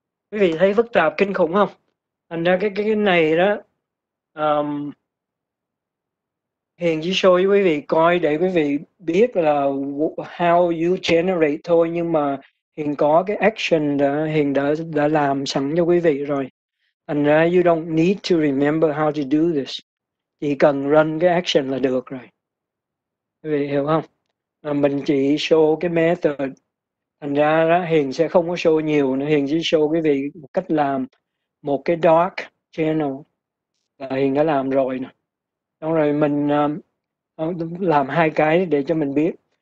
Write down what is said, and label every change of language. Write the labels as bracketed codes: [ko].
[vi] Quý vị thấy phức tạp kinh khủng không? Thành ra cái này đó, Hiền chỉ show với quý vị coi để quý vị biết là [en] how you generate [vi] thôi, nhưng mà Hiền có cái action đã, Hiền đã làm sẵn cho quý vị rồi. Thành ra [en] you don't need to remember how to do this. [vi] Chỉ cần run cái action là được rồi. Quý vị hiểu không? Mà mình chỉ show cái method. Thành ra đó, Hiền sẽ không có show nhiều nữa. Hiền chỉ show quý vị một cách làm một cái dark channel. Là Hiền đã làm rồi nè. Xong rồi mình làm hai cái để cho mình biết.